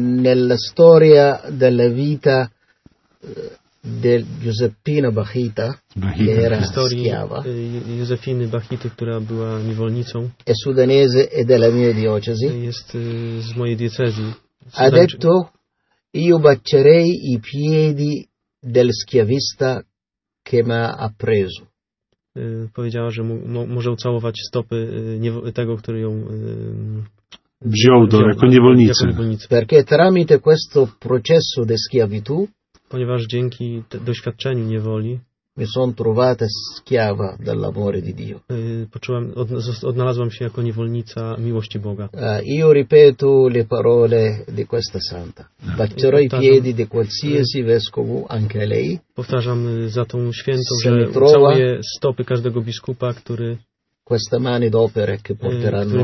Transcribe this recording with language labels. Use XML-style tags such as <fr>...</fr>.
<it>Nella storia della vita del Giuseppina Bachita, che era schiava.</it> <pl>Józefiny Bachity, która była niewolnicą.</pl> <it>È sudanese e della mia diocesi.</it> <pl>Jest z mojej diecezji.</pl> <it>Ha detto, io bacerei i piedi del schiavista che mi ha preso.</it> <pl>Powiedziała, że może ucałować stopy tego, który ją wziął do jako niewolnicy.</pl> <it>Perché tramite questo processo di schiavitù,</it> <pl>ponieważ dzięki doświadczeniu niewoli,</pl> <it>mi sono trovata schiava del lavoro di Dio.</it> <pl>Poczułam, odnalazłam się jako niewolnica miłości Boga.</pl> <it>Io ripeto le parole di questa santa. Baccerò i piedi di qualsiasi vescovo, anche lei.</it> <pl>Powtarzam za tą świętą, że całuję stopy każdego biskupa, który</pl> <it>questa mani d'opere che porteranno</it>